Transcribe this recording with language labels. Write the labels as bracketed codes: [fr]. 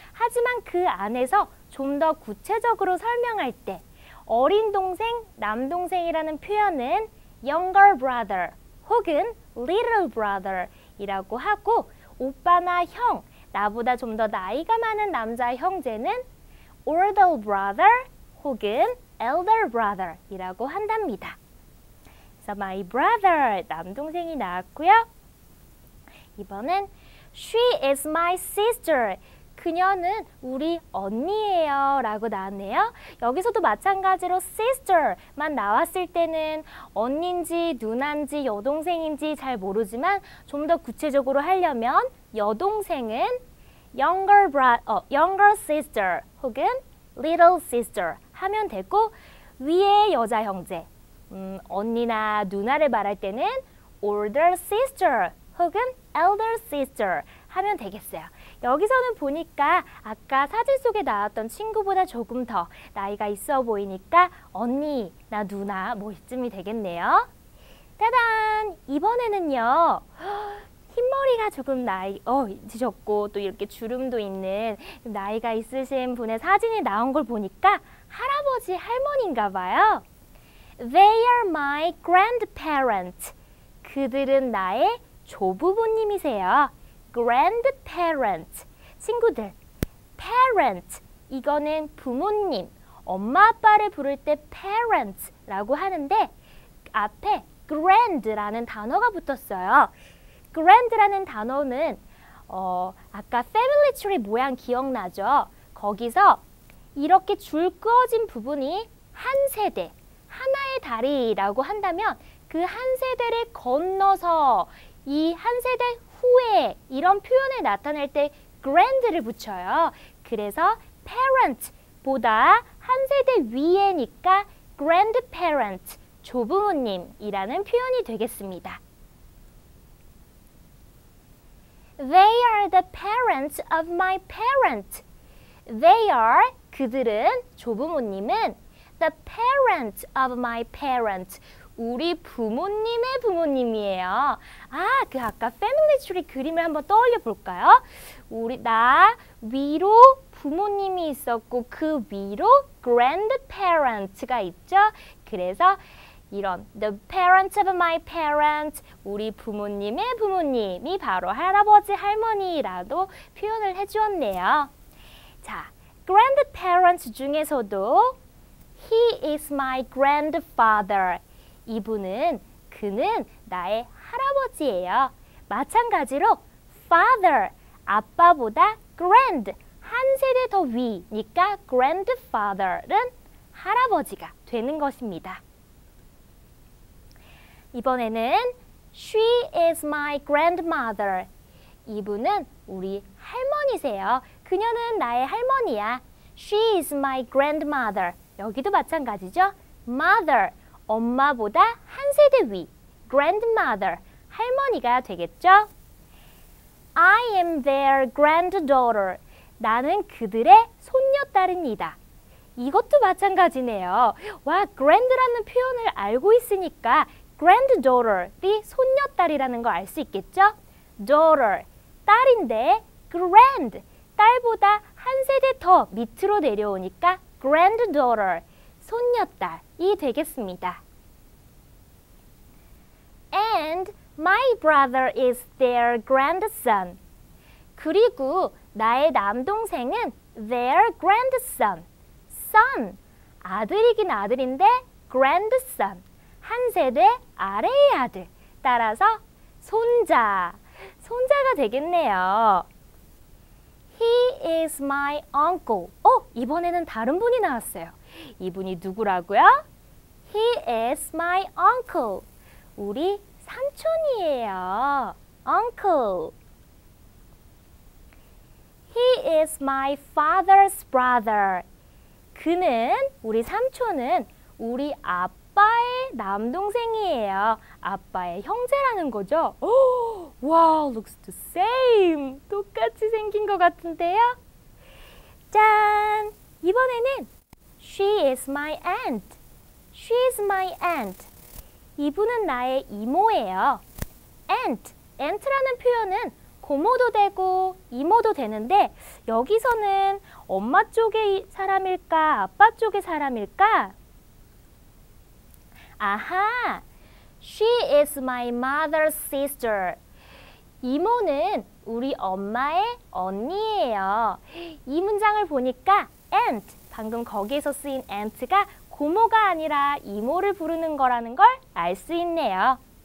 [ko] 하지만 그 안에서 좀 더 구체적으로 설명할 때 어린 동생, 남동생이라는 표현은 [en] younger brother [ko] 혹은 [en] little brother [ko] 이라고 하고 오빠나 형, 나보다 좀 더 나이가 많은 남자 형제는 [en] older brother [ko] 혹은 [en] elder brother [ko] 이라고 한답니다. [en] So my brother, [ko] 남동생이 나왔고요. 이번엔 [en] She is my sister. [ko] 그녀는 우리 언니예요 라고 나왔네요. 여기서도 마찬가지로 sister만 나왔을 때는 언니인지 누나인지 여동생인지 잘 모르지만 좀 더 구체적으로 하려면 여동생은 [en] younger sister [ko] 혹은 [en] little sister [ko] 하면 되고 위에 여자 형제, 언니나 누나를 말할 때는 [en] older sister [ko] 혹은 [en] elder sister [ko] 하면 되겠어요. 여기서는 보니까 아까 사진 속에 나왔던 친구보다 조금 더 나이가 있어 보이니까 언니나 누나 뭐 이쯤이 되겠네요. 따단! 이번에는요. 흰머리가 조금 나이 지셨고 또 이렇게 주름도 있는 나이가 있으신 분의 사진이 나온 걸 보니까 할아버지, 할머니인가 봐요. [en] They are my grandparents. [ko] 그들은 나의 조부모님이세요. [en] Grandparents. [ko] 친구들, [en] parent. [ko] 이거는 부모님. 엄마, 아빠를 부를 때 parents라고 하는데 앞에 grand라는 단어가 붙었어요. grand라는 단어는 아까 family tree 모양 기억나죠? 거기서 이렇게 줄 그어진 부분이 한 세대, 하나의 다리라고 한다면 그 한 세대를 건너서 이 한 세대 후에 이런 표현을 나타낼 때 grand를 붙여요. 그래서 parent보다 한 세대 위에니까 grandparent, 조부모님이라는 표현이 되겠습니다. [en] They are the parents of my parent. They are, [ko] 그들은, 조부모님은 [en] the parents of my parent. [ko] 우리 부모님의 부모님이에요. 아, 그 아까 패밀리 트리 그림을 한번 떠올려 볼까요? 우리 나 위로 부모님이 있었고 그 위로 grandparents가 있죠. 그래서 이런 [en] the parents of my parents, [ko] 우리 부모님의 부모님이 바로 할아버지 할머니라도 표현을 해 주었네요. [en] 자, grandparents [ko] 중에서도 [en] he is my grandfather. [ko] 이분은, 그는 나의 할아버지예요. 마찬가지로 father, 아빠보다 grand, 한 세대 더 위니까 grandfather은 할아버지가 되는 것입니다. 이번에는 [en] she is my grandmother. [ko] 이분은 우리 할머니세요. 그녀는 나의 할머니야. [en] She is my grandmother. [ko] 여기도 마찬가지죠. Mother, 엄마보다 한 세대 위, grandmother, 할머니가 되겠죠? [en] I am their granddaughter. [ko] 나는 그들의 손녀딸입니다. 이것도 마찬가지네요. 와, grand라는 표현을 알고 있으니까 granddaughter, 이 손녀딸이라는 거 알 수 있겠죠? daughter, 딸인데 grand, 딸보다 한 세대 더 밑으로 내려오니까 granddaughter, 손녀딸이 되겠습니다. [en] And my brother is their grandson. [ko] 그리고 나의 남동생은 [en] their grandson. [ko] son, 아들이긴 아들인데 grandson, 한 세대 아래의 아들. 따라서 손자, 손자가 되겠네요. [en] He is my uncle. [ko] 어, 이번에는 다른 분이 나왔어요. 이분이 누구라고요? [en] He is my uncle. [ko] 우리 삼촌이에요. Uncle. [en] He is my father's brother. [ko] 그는, 우리 삼촌은 우리 아빠의 남동생이에요. 아빠의 형제라는 거죠. 오, [en] wow, looks the same. [ko] 똑같이 생긴 것 같은데요. 짠! 이번에는 [en] She is my aunt. She is my aunt. [ko] 이분은 나의 이모예요. aunt, aunt라는 표현은 고모도 되고 이모도 되는데 여기서는 엄마 쪽의 사람일까? 아빠 쪽의 사람일까? 아하! [en] She is my mother's sister. [ko] 이모는 우리 엄마의 언니예요. 이 문장을 보니까 aunt, 방금 거기에서 쓰인 aunt가 고모가 아니라 이모를 부르는 거라는 걸 알 수 있네요.